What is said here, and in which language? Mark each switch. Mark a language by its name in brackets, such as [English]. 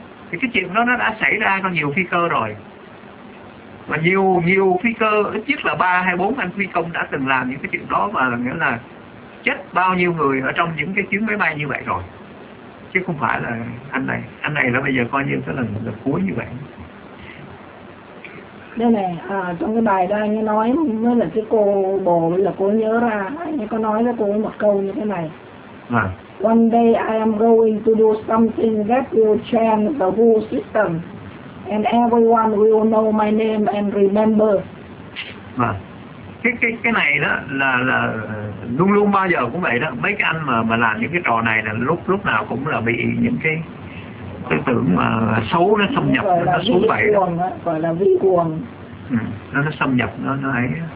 [Vietnamese] Thì cái chuyện đó nó đã xảy ra cho nhiều phi cơ rồi. Và nhiều phi cơ, ít nhất là 3-4 anh phi công đã từng làm những cái chuyện đó, và nghĩa là chết bao nhiêu người ở trong những cái chuyến máy bay như vậy rồi. Chứ không phải là anh này là bây giờ coi như cái lần cuối như vậy. đây này, à, trong cái bài đó anh ấy nói với là cái cô bồ là cô nhớ ra, anh ấy có nói với cô một câu như thế này. À. [English] One day I am going to do something that will change the whole system, and everyone will know my name and remember. À. [Vietnamese] Cái này đó là luôn luôn bao giờ cũng vậy đó, mấy cái anh mà làm những cái trò này là lúc nào cũng là bị những cái tư tưởng mà xấu nó xâm nhập, nó xuống vậy đó. Gọi là vi cuồng. Nó xâm nhập, nó ấy.